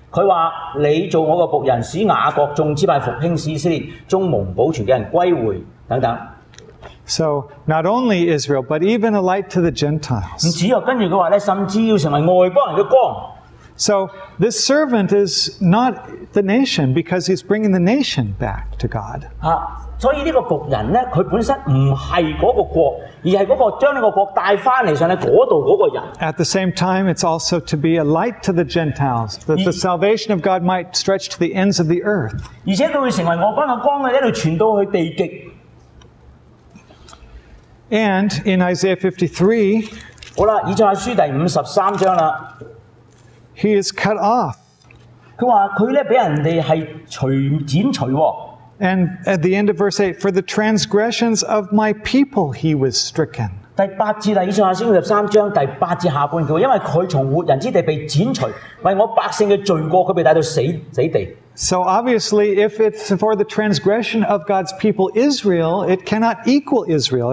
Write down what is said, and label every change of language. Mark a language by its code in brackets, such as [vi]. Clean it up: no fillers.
[zh] 他說,你做我的仆人,使雅各眾之派復興,使以色列眾蒙保存的人歸回,等等。 [en] So, not only Israel, but even a light to the Gentiles. [zh] 不止,跟著他說,甚至要成為外邦人的光。 [en] So, this servant is not the nation, because he's bringing the nation back to God. [zh] 所以这个仆人呢,他本身不是那个国,而是那个将那个国带回来,上来那里那个人。 [en] At the same time, it's also to be a light to the Gentiles, that the salvation of God might stretch to the ends of the earth. [zh] 而且他会成为我军的光,一直传到去地极。 [en] And in Isaiah 53, [zh] 好了,以赛亚书第53章了, [en] he is cut off. [zh] 他说他被人家是剪除。 [en] And at the end of verse 8, for the transgressions of my people he was stricken. [zh] 第八節,以賽亞書53章第8節下半句,因為他從活人之地被剪除,為我百姓的罪過,他被帶到死地。 [en] So obviously, if it's for the transgression of God's people Israel, it cannot equal Israel.